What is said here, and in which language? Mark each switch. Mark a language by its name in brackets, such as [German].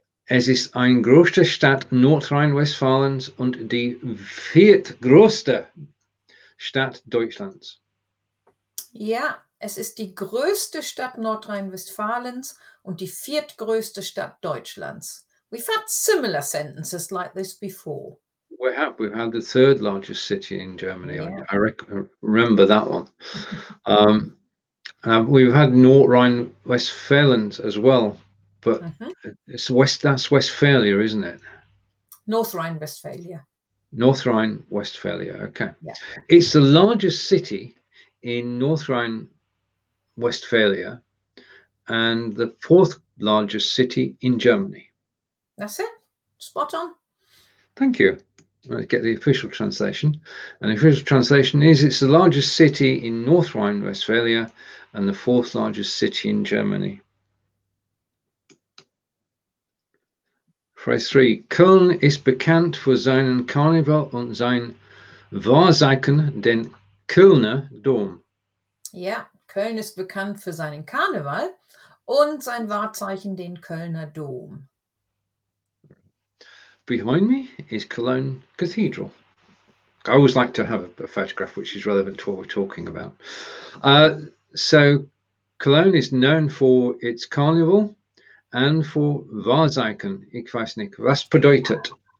[German] Es ist ein großer Stadt Nordrhein-Westfalens und die viertgrößte Stadt Deutschlands. Ja, es ist die größte Stadt Nordrhein-Westfalens und die viertgrößte Stadt Deutschlands. [English] We've had similar sentences like this before. We've had the third largest city in Germany. Yeah. I remember that one. We've had Nordrhein-Westfalen as well, but it's West, that's Westphalia, isn't it? North Rhine-Westphalia. North Rhine-Westphalia. Okay. Yeah. It's the largest city in North Rhine-Westphalia and the fourth largest city in Germany. That's it. Spot on. Thank you. Let's get the official translation. And the official translation is it's the largest city in North Rhine-Westphalia and the fourth largest city in Germany. Phrase three. [German] Köln ist bekannt für seinen Karneval und sein Wahrzeichen, den Kölner Dom. Ja, Köln ist bekannt für seinen Karneval und sein Wahrzeichen, den Kölner Dom. [English] Behind me is Cologne Cathedral. I always like to have a photograph which is relevant to what we're talking about. So Cologne is known for its carnival and for Wahrzeichen. [German] Ich weiß nicht, was bedeutet